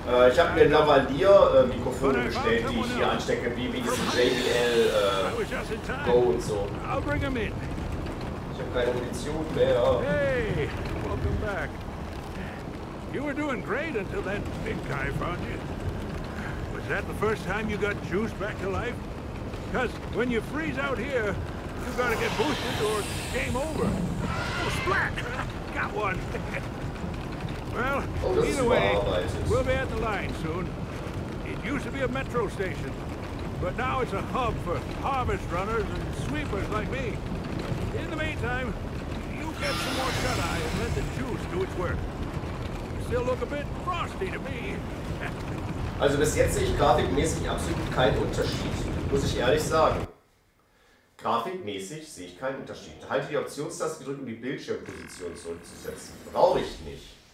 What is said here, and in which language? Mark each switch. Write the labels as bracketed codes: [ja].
[de] Ich habe mir ein Lavalier-Mikrofon gestellt, die ich hier anstecke, wie diesen JBL Go und so. Ich habe keine Munition mehr. [en] Hey, welcome back. You were doing great until that big guy found you. Is that the first time you got juiced back to life? Because when you freeze out here, you gotta get boosted or game over. Oh, splat! Got one! Well, either way, we'll be at the line soon. It used to be a metro station, but now it's a hub for harvest runners and sweepers like me. In the meantime, you get some more shut-eye and let the juice do its work. You still look a bit frosty to me. [de] Also bis jetzt sehe ich grafikmäßig absolut keinen Unterschied, muss ich ehrlich sagen. Grafikmäßig sehe ich keinen Unterschied. Halte die Optionstaste gedrückt, um die Bildschirmposition zurückzusetzen. Brauche ich nicht.